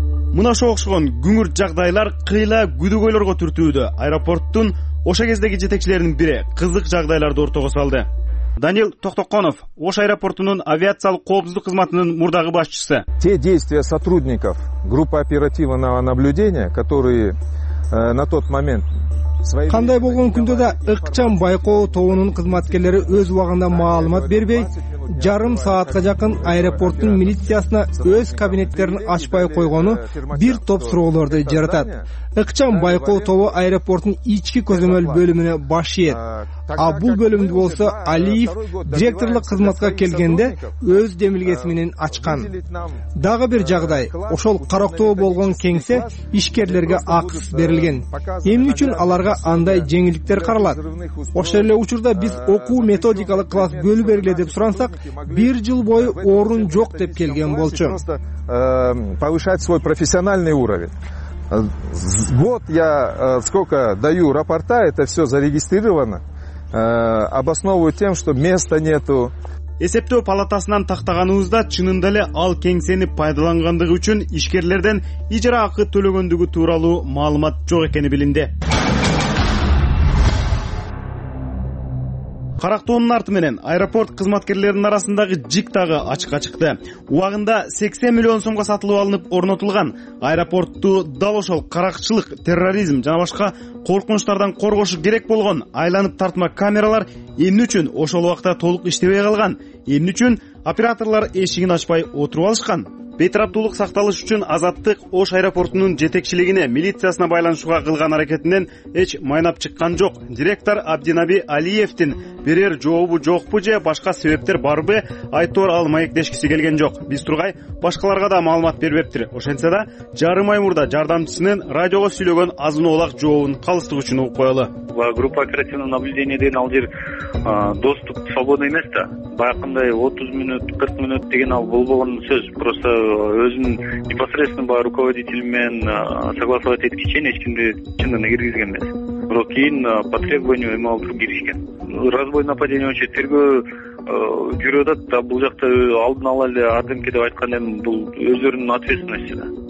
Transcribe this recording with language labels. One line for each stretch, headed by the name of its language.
Kyrgyz: Мына ошо окшогон күңүрт жагдайлар кыйла күдүгөйлөргө түртүүдө. Аэропорттун ошо кездеги жетекчилеринин бири кызык жагдайларды ортого салды. Данил Токтоконов, Ош аэропортунун авиациялык коопсуздук кызматынын мурдагы башчысы.
Russian: Те действия сотрудников группы оперативного наблюдения, которые на тот момент
Kyrgyz: Кандай болгон күндө да ыкчам байкоо тобунун кызматкерлери өз убагында маалымат бербей, жарым саатка жакын аэропорттун милициясына өз кабинеттерин ачпай койгону бир топ суроолорду жаратат. Ыкчам байкоо тобу аэропорттун ички көзөмөл бөлүмүнө баш ийет. А бул бөлүмдү болсо Алиев директорлук кызматка келгенде өз демилгеси менен ачкан. Дагы бир жагдай, ошол кароктоо болгон кеңсе ишкерлерге акысыз берилген. Эмне үчүн аларга андай жеңилдиктер каралат? Ошол эле учурда биз окуу методикалык класс бөлү бергиле деп сурансак, бир жыл бою орун жок деп келген болчу.
Russian: Повышать свой профессиональный уровень. Вот я сколько даю рапорта, это все зарегистрировано. Обосновываю тем, что места нету.
Kyrgyz: Эсептөө палатасынан тактаганыбызда чынында эле ал кеңсени пайдалангандыгы үчүн ишкерлерден ижара акы төлөгөндүгү тууралуу маалымат жок экени билинди. Карактоонун арты менен аэропорт кызматкерлеринин арасындагы жик дагы ачыкка чыкты. Убагында 80 миллион сомго сатылып алынып орнотулган аэропортту дал ошол каракчылык, терроризм жана башка коркунучтардан коргошу керек болгон айланып тартма камералар эмне үчүн ошол убакта толук иштебей калган? Эмне үчүн операторлор эшигин ачпай отуруп алышкан? Бейтараптуулук сакталыш үчүн Азаттык Ош аэропортунун жетекчилигине, милициясына байланышууга кылган аракетинен эч майнап чыккан жок. Директор Абдинаби Алиевтин берер жообу жокпу же башка себептер барбы айтор ал маектешкиси келген жок. Биз тургай башкаларга да маалымат бербептир. Ошентсе да жарым ай мурда жардамчысынын радиого сүйлөгөн азын оолак жообун калыстык үчүн угуп коелу.
Russian: Группа оперативного наблюдения
Kyrgyz: деген ал жер
Russian: доступ свободный
Kyrgyz: эмес да. Баякындай 30 мүнөт, 40 мүнөт деген ал болбогон сөз. Просто өзүнүн непосредственно баягы руководитель менен согласовать этип чейин эч кимди чын эле киргизген эмес. Бирок кийин
Russian: по требованию
Kyrgyz: эми ал туруп киришкен.
Russian: Разбой нападения
Kyrgyz: боюнча тергөө жүрүп атат да бул жакта алдын ала эле АДМКде айткан эми бул өздөрүнүн ответственности да.